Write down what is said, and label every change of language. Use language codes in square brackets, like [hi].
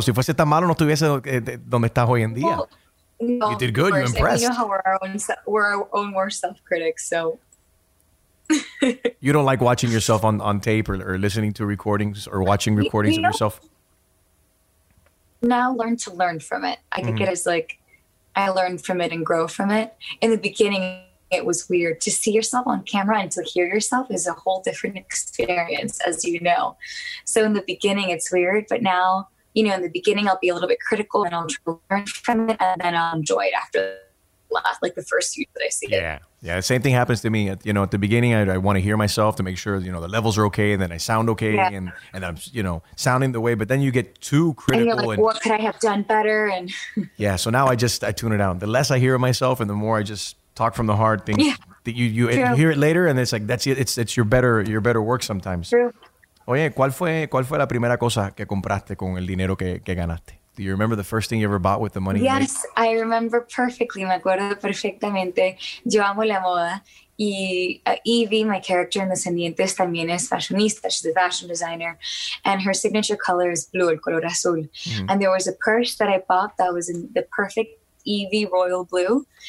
[es] Si fuese tan malo, no estuviese donde estás hoy en día. [en] Well, no, you did good. You're impressed. You know how we're our own worst self-critics, so. You don't like watching yourself on tape or listening to recordings or watching recordings of yourself? Now learn to learn from it. I think it is like, I learned from it and grow from it. In the beginning, it was weird to see yourself on camera, and to hear yourself is a whole different experience, as you know. So in the beginning, it's weird. But now, you know, in the beginning, I'll be a little bit critical and I'll learn from it, and then I'll enjoy it after like the first few that I see. Yeah. Same thing happens to me. You know, at the beginning, I want to hear myself to make sure, you know, the levels are okay, and then I sound okay, and I'm, you know, sounding the way. But then you get too critical. And you're like, what could I have done better? And yeah, so now I tune it out. The less I hear of myself, and the more I just talk from the heart, things that you hear it later, and it's like, that's it. It's your better work sometimes. True. [es] Oye, ¿cuál fue la primera cosa que compraste con el dinero que ganaste? [en] Do you remember the first thing you ever bought with the money? Yes, I remember perfectly. [es] Me acuerdo perfectamente. Yo amo la moda. Y Evie, [en] my character in [es] Descendientes, también es fashionista. [en] She's a fashion designer. And her signature color is blue, [es] el color azul. [en] Mm-hmm. And there was a purse that I bought that was in the perfect Evie royal blue.